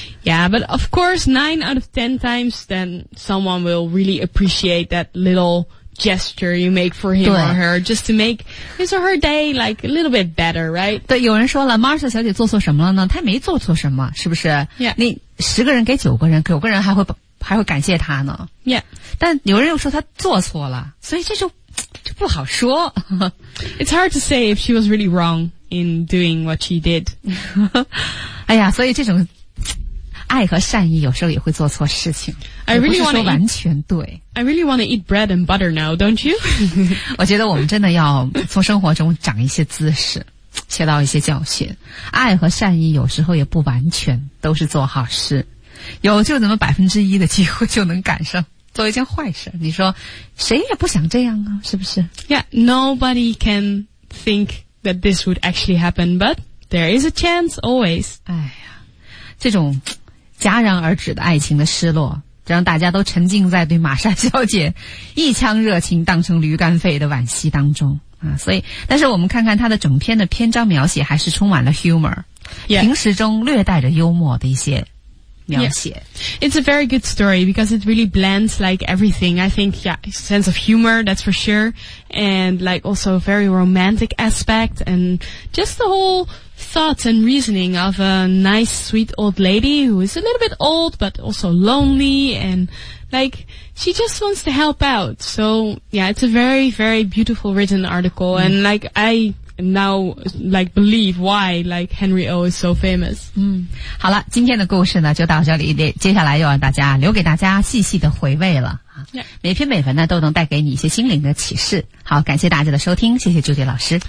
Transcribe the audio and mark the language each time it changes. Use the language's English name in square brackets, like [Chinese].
[English] Yeah, but of course, 9 out of 10 times, then someone will really appreciate that little gesture you make for him or her, just to make his or her day like a little bit better, right? [Chinese] 对，有人说了 ，Martha 小姐做错什么了呢？她没做错什么，是不是 [English] ？Yeah. [Chinese] 你十个人给九个人，九个人还会感谢他呢 [English] ，Yeah， [Chinese] 但有人又说他做错了，所以这就不好说。 [English] It's hard to say if she was really wrong in doing what she did. [Chinese] 哎呀，所以这种爱和善意有时候也会做错事情。 [English] I really want to [Chinese] 完全对。 [English] I really want to eat bread and butter now, don't you? [Chinese] 我觉得我们真的要从生活中长一些姿势，学到一些教训。爱和善意有时候也不完全都是做好事。有就怎么1%的机会就能赶上做一件坏事你说谁也不想这样啊是不是 [English] Yeah, nobody can think that this would actually happen, but there is a chance always. [Chinese] 哎呀这种戛然而止的爱情的失落让大家都沉浸在对玛莎小姐一腔热情当成驴肝肺的惋惜当中啊所以但是我们看看她的整篇的篇章描写还是充满了 humor,、 [English] yeah. [Chinese] 平时中略带着幽默的一些描写。 [English] It's a very good story because it really blends like everything. I think, yeah, sense of humor, that's for sure. And like also a very romantic aspect and just the whole thoughts and reasoning of a nice, sweet old lady who is a little bit old but also lonely and like... She just wants to help out. So, yeah, it's a very, very beautiful written article. Mm. And, like, I now, like, believe why, like, Henry O is so famous. [Chinese] 嗯，好了，今天的故事呢，就到这里。接下来又让大家留给大家细细的回味了。 [English] Yeah. [Chinese] 每篇每文呢，都能带给你一些心灵的启示。好，感谢大家的收听，谢谢朱迪老师。